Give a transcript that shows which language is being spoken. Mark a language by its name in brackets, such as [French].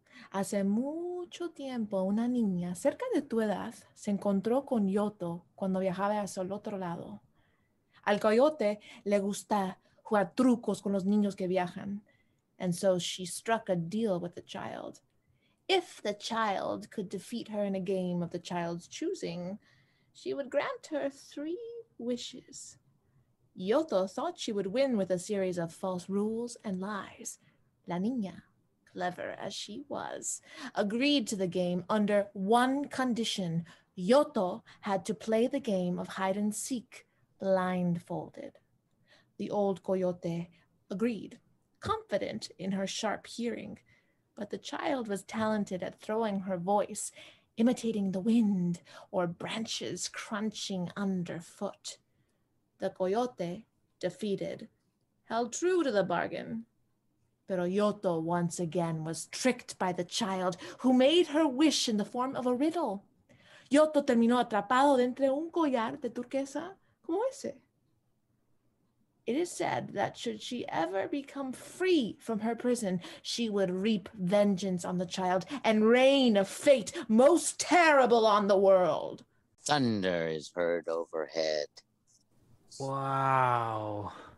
[Spanish] Hace mucho tiempo, una niña cerca de tu edad se encontró con YOTO cuando viajaba hacia el otro lado. Al coyote le gusta jugar trucos con los niños que viajan. [English] And so she struck a deal with the child. If the child could defeat her in a game of the child's choosing, she would grant her 3 wishes. YOTO thought she would win with a series of false rules and lies. [Spanish] La niña, [English] clever as she was, agreed to the game under one condition. YOTO had to play the game of hide and seek blindfolded. The old coyote agreed, confident in her sharp hearing, but the child was talented at throwing her voice, imitating the wind or branches crunching underfoot. The coyote, defeated, held true to the bargain. Pero Yoto once again was tricked by the child, who made her wish in the form of a riddle. [Spanish] Yoto terminó atrapado dentro de un collar de turquesa como ese. [English] It is said that should she ever become free from her prison, she would reap vengeance on the child and rain a fate most terrible on the world. Thunder is heard overhead. Wow.